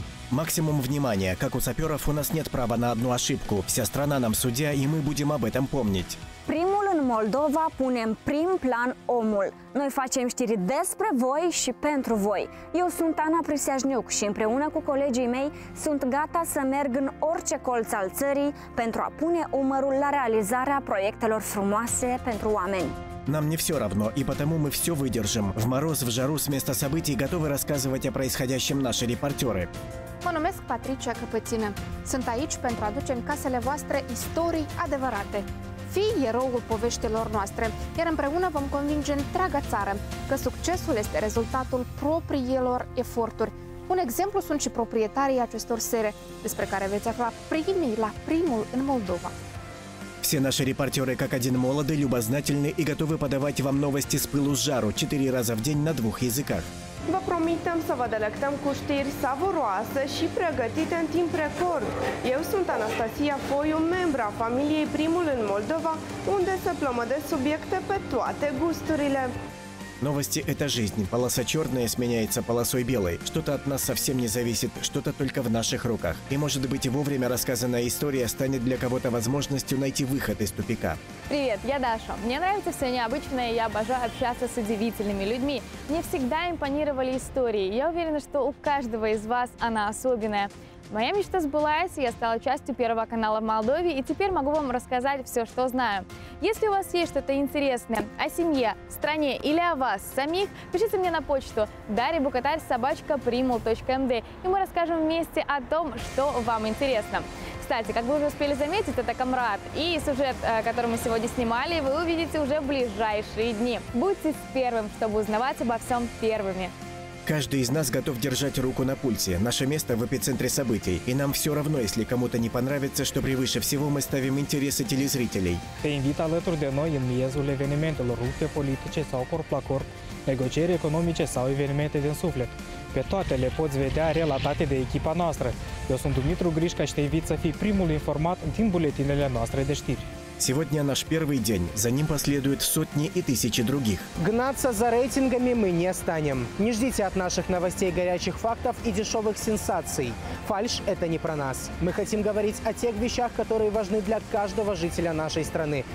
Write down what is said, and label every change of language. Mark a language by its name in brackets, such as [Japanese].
[Russian] Максимум внимания, как у саперов, у нас нет права на одну ошибку. Вся страна нам судья, и мы будем об этом помнить. [Romanian] Primul în Moldova punem prim plan omul. Noi facem știri despre voi și pentru voi. Eu sunt Ana Priseajniuc și împreună cu colegii mei sunt gata să merg în orice colț al țării pentru a pune umărul la realizarea proiectelor frumoase pentru oameni. [Russian] Нам не все равно, и потому мы все выдержим. В мороз, в жару, с места событий готовы рассказывать о происходящем наши репортеры. [Romanian] Mă numesc Patricia Căpățină. Sunt aici pentru a aduce în casele voastre istorii adevărate. Fii eroul poveștilor noastre, iar împreună vom convinge întreaga țară că succesul este rezultatul propriilor eforturi. Un exemplu sunt și proprietarii acestor sere, despre care veți afla primii la primul în Moldova. [Russian] Все наши репортеры как один молоды, любознательны и готовы подавать вам новости с пылу с жару 4 раза в день на двух языках. [Romanian] Vă promitem să vă delectăm cu știri savuroase și pregătite în timp record. Eu sunt Anastasia Foiu, membra familiei Primul în Moldova, unde se plămădesc subiecte pe toate gusturile. [Russian] Новости – это жизнь. Полоса черная сменяется полосой белой. Что-то от нас совсем не зависит, что-то только в наших руках. И, может быть, вовремя рассказанная история станет для кого-то возможностью найти выход из тупика. Привет, я Даша. Мне нравится все необычное, и я обожаю общаться с удивительными людьми. Мне всегда импонировали истории. Я уверена, что у каждого из вас она особенная. Моя мечта сбылась, я стала частью Первого канала в Молдове, и теперь могу вам рассказать все, что знаю. Если у вас есть что-то интересное о семье, стране или о вас самих, пишите мне на почту daribukatarsobachka.primul.md, и мы расскажем вместе о том, что вам интересно. Кстати, как вы уже успели заметить, это Камрад. И сюжет, который мы сегодня снимали, вы увидите уже в ближайшие дни. Будьте первым, чтобы узнавать обо всем первыми. Каждый из нас готов держать руку на пульсе. Наше место в эпицентре событий. И нам все равно, если кому-то не понравится, что превыше всего мы ставим интересы телезрителей. [Romanian] Te invit alături de noi în miezul evenimentelor, rupte politice sau corp la corp, negocieri economice sau evenimente din suflet. Pe toate le poți vedea relatate de echipa noastră. Eu sunt Dumitru Grișca și te invit să fii primul informat din buletinele noastre de știri. [Russian] Сегодня наш первый день, за ним последуют сотни и тысячи других. Гнаться за рейтингами мы не станем. Не ждите от наших новостей горячих фактов и дешевых сенсаций. Фальшь – это не про нас. Мы хотим говорить о тех вещах, которые важны для каждого жителя нашей страны.